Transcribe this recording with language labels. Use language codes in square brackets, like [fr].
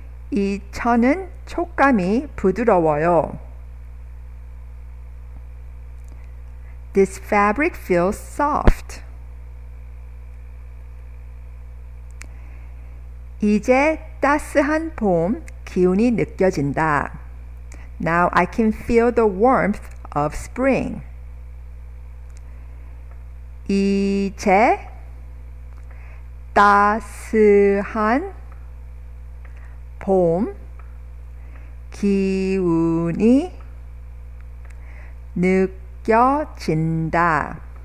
[ko] 이 천은 촉감이 부드러워요. [en] This fabric feels soft. [ko] 이제 따스한 봄 기운이 느껴진다. [en] Now I can feel the warmth of spring. [ko] 이제 따스한 봄 기운이 느껴진다.